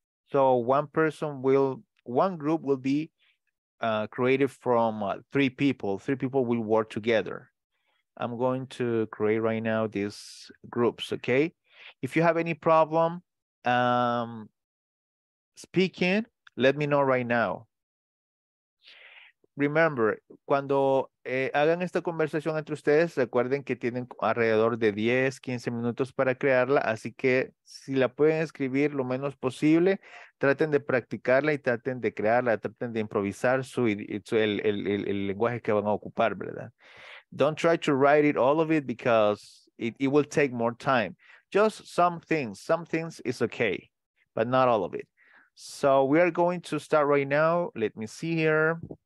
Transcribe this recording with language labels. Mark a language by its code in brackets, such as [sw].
[en] So one group will be created from three people. Three people will work together. I'm going to create right now these groups, okay? If you have any problem speaking, let me know right now. [es] Remember, cuando hagan esta conversación entre ustedes, recuerden que tienen alrededor de 10, 15 minutos para crearla. Así que si la pueden escribir lo menos posible, traten de practicarla y traten de crearla, traten de improvisar el lenguaje que van a ocupar, ¿verdad? [en] Don't try to write it all of it because it will take more time. Just some things is okay, but not all of it. So we are going to start right now. Let me see here.